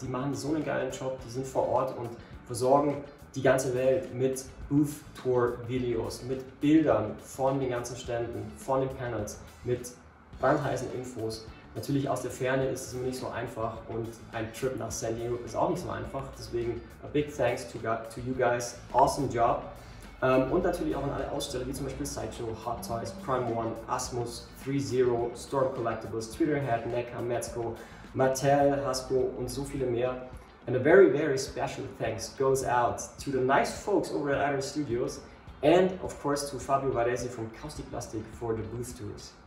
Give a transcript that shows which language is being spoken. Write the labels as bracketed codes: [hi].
[de] Die machen so einen geilen Job, die sind vor Ort und versorgen die ganze Welt mit Booth-Tour-Videos, mit Bildern von den ganzen Ständen, von den Panels, mit brandheißen Infos. Natürlich aus der Ferne ist es immer nicht so einfach und ein Trip nach San Diego ist auch nicht so einfach. [en] Deswegen a big thanks to you guys, awesome job. [de] Und natürlich auch an alle Aussteller, wie zum Beispiel Sideshow, Hot Toys, Prime One, Asmus, 3Zero, Storm Collectibles, Twitter Head, NECA, Metzko, Mattel, Hasbro und so viele mehr. [en] And a very, very special thanks goes out to the nice folks over at Iron Studios and of course to Fabio Varese from Caustic Plastic for the booth tours.